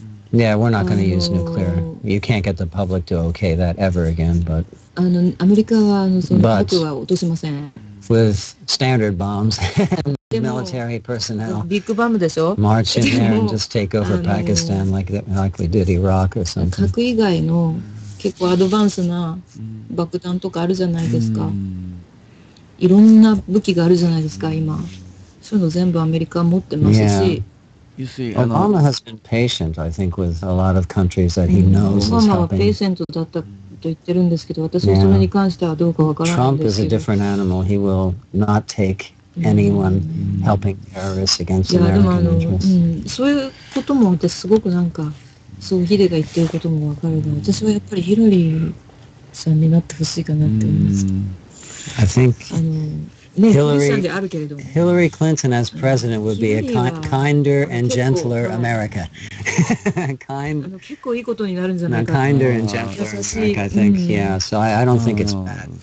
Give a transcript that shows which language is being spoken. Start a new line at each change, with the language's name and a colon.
English: Yeah, we're not going to use nuclear. You can't get the public to okay that ever again, but...
Japanese: アメリカは、その核は落としません。
English: With standard bombs and military personnel march in there and just take over Pakistan like we did Iraq or something.
Japanese: 核以外の結構アドバンスな爆弾とかあるじゃないですか。いろんな武器があるじゃないですか、今。そういうの全部アメリカ持ってますし。
English: Obama has been patient, I think, with a lot of countries that he knows is helping.
Japanese: Obama はペーシェントだったと言ってるんですけど、私はそれに関してはどうかわからないんですけど。
English: Trump is a different animal. He will not take anyone helping terrorists against American interests.
Japanese: そういうことも私すごくなんかそう、ヒデが言ってることもわかるので、私はやっぱりヒラリーさんになってほしいかなって思います。
English: I think
Japanese: ね、
English: Hillary Clinton as president would be a kinder and gentler America.
Japanese: kind, 結構いいことになるんじゃないかな。
English: Kinder and gentler, like, I think,、うん、yeah, so I don't think it's bad.